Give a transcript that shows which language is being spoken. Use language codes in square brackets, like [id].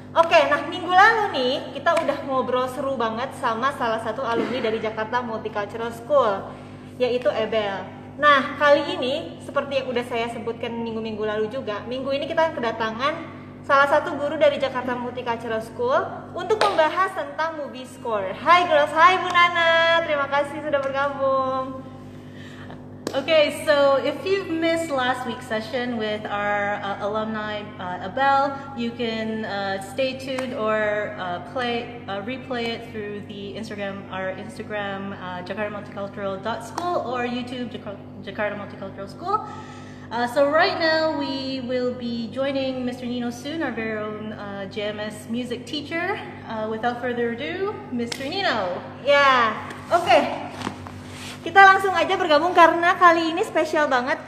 [id] Oke, nah minggu lalu nih kita udah ngobrol seru banget sama salah satu alumni dari Jakarta Multicultural School, yaitu Ebel. Nah, kali ini seperti yang udah saya sebutkan minggu-minggu lalu juga, minggu ini kita kedatangan salah satu guru dari Jakarta Multicultural School untuk membahas tentang movie score. Hai girls, hai Bu Nana, terima kasih sudah bergabung. [en] Okay, so if you've missed last week's session with our alumni Abel, you can stay tuned or replay it through the Instagram, our Instagram jakartamulticultural.school or YouTube Jakarta Multicultural School. So right now we will be joining Mr. Nino soon, our very own JMS music teacher. Without further ado, Mr. Nino. Yeah. Okay. [id] Kita langsung aja bergabung karena kali ini spesial banget.